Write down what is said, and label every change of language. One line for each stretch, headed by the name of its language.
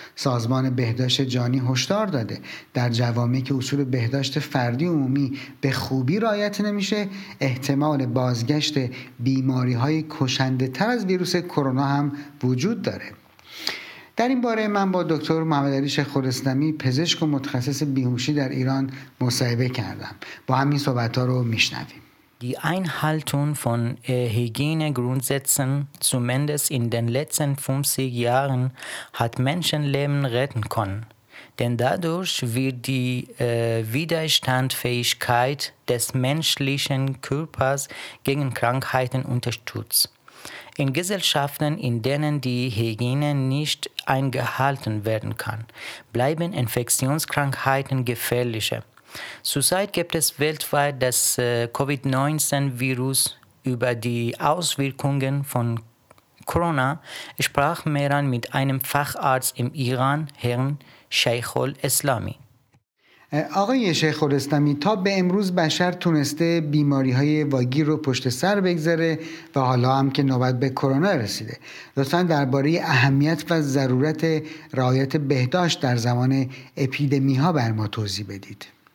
Persian: سازمان بهداشت جهانی هشدار داده در جوامعی که اصول بهداشت فردی عمومی به خوبی رعایت نمیشه، احتمال بازگشت بیماری‌های کشنده‌تر از ویروس کرونا هم وجود داره. در این باره من با دکتر محمد علی شیخ الاسلامی، پزشک و متخصص بیهوشی در ایران مصاحبه کردم. با همین صحبت ها رو میشنویم.
German: Die Einhaltung von Hygienegrundsätzen, zumindest in den letzten 50 Jahren, hat Menschenleben retten können. denn dadurch wird die Widerstandsfähigkeit des menschlichen Körpers gegen Krankheiten unterstützt. In Gesellschaften, in denen die Hygiene nicht eingehalten werden kann, bleiben Infektionskrankheiten gefährlicher. Zurzeit gibt es weltweit das Covid-19-Virus. Über die Auswirkungen von Corona sprach Mehran mit einem Facharzt im Iran, Herrn Sheikhul Islami.
Persian: آقای شیخ‌الاسلامی اسلامی تا به امروز بشر تونسته بیماری‌های واگی رو پشت سر بگذاره و حالا هم که نوبت به کرونا رسیده. لطفاً درباره اهمیت و ضرورت رعایت بهداشت در زمان اپیدمی‌ها بر ما توضیح بدید.